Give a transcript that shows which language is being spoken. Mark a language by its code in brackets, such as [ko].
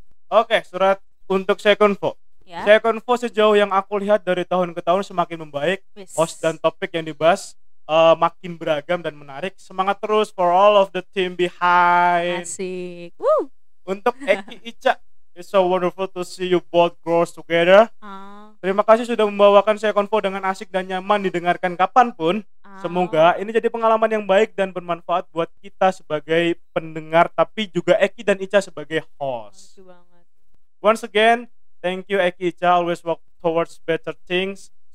[id] Oke, surat untuk Sekonvo. Ya. Sekonvo sejauh yang aku lihat dari tahun ke tahun semakin membaik. [en] Yes. [id] Host dan topik yang dibahas makin beragam dan menarik. Semangat terus [en] for all of the team behind. Asik. [id] Untuk [en] Eki Ica, it's so wonderful to see you both grow together. [id] Terima kasih sudah membawakan Sekonvo dengan asik dan nyaman didengarkan kapanpun. Semoga ini jadi pengalaman yang baik dan bermanfaat buat kita sebagai pendengar, tapi juga Eki dan Ica sebagai host. [en] Once again, thank you Eki Ica, always work towards better things.